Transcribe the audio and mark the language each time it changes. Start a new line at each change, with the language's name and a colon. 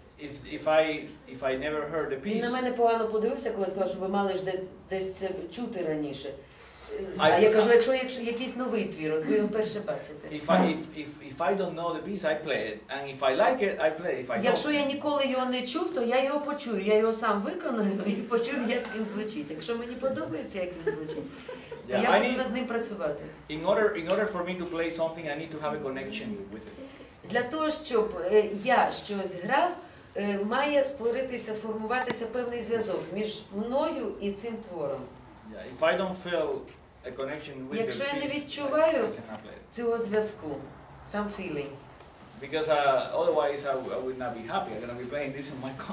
English: If I never heard the piece.
Ukrainian: Він на мене погано подивився, коли сказав, що ви мали ж десь це чути раніше. Я кажу, якщо якийсь новий твір, от ви його вперше бачите.
English: If I don't know the piece, I play it. And if I like it, I play it.
Ukrainian: Якщо я ніколи його не чув, то я його почую. Я його сам виконую і почую, як він звучить. Якщо мені подобається, як він звучить, то я буду над ним працювати.
English: In order for me to play something, I need to have a connection with it.
Ukrainian: Для того, щоб я щось грав, має створитися, сформуватися певний зв'язок між мною і цим твором.
English: Yeah, if I don't feel a connection with
Ukrainian: якщо
English: the
Ukrainian: я не відчуваю цього зв'язку,
English: some feeling. Because otherwise I would not be happy. I'm gonna be playing this in my concert.